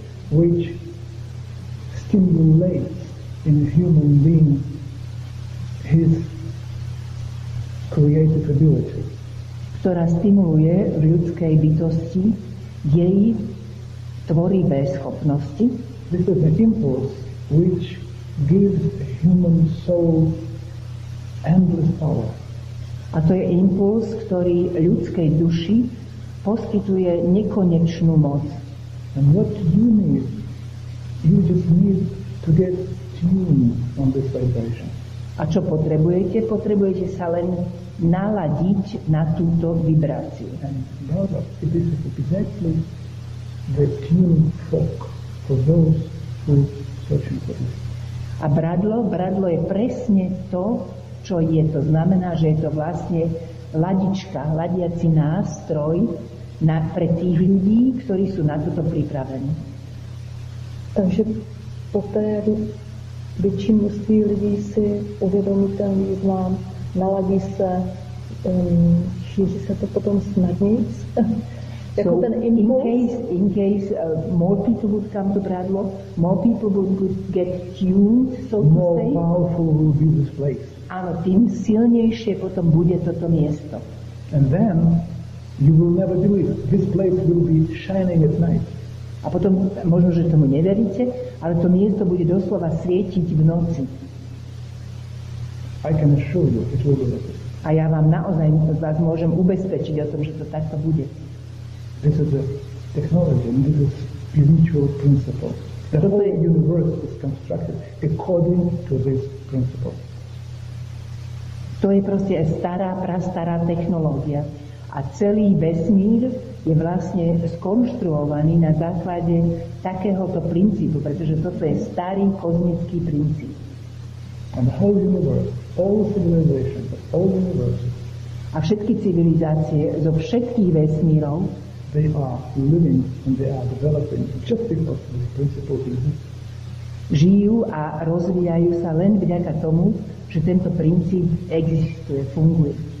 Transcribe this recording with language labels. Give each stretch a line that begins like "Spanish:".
English: which stimulates in a human being his creative ability.
Slovak: Ktorá stimuluje v ľudskej bytosti jej tvorivé schopnosti.
English: This is an impulse which gives human soul endless power.
Slovak: A to je impuls, ktorý ľudskej duši poskytuje nekonečnú moc.
English: And what you need? You just need to get tuned on this vibration.
Slovak: A čo potrebujete? Potrebujete sa len naladiť na túto vibráciu.
English: It is exactly the tuning fork for those who search for this.
Slovak: A bradlo je presne to, čo je to. Znamená, že je to vlastne ladička, ladiaci nástroj pre tých ľudí, ktorí sú na toto pripravení.
Czech: Takže po té väčší množství lidí si uvědomí ten význam, naladí se, šíří se to potom snadnic. Jako so ten impuls.
English: In case more people would come to Bradlo, more people would get tuned, so to more say. More powerful will be this place.
Czech: Ano, tím silnější potom bude toto město.
English: And then you will never do it. This place will be shining at night.
Slovak: A potom, možno, že tomu neveríte, ale to miesto bude doslova svietiť v noci.
English: I can assure you, it will be like this.
Slovak: A ja vám naozaj vás môžem ubezpečiť o tom, že to takto bude.
English: This is a technology, and this is spiritual principle. The whole universe is constructed according to this principle.
Slovak: To je proste stará, prastará technológia. A celý vesmír je vlastne skonštruovaný na základe takéhoto princípu, pretože toto je starý kozmický princíp.
English: And the whole universe, all civilizations, all universes.
Slovak: A všetky civilizácie zo všetkých vesmírov,
English: they are living and they are developing just because this principle exists.
Slovak: Žijú a rozvíjajú sa len vďaka tomu, že tento princíp existuje, funguje.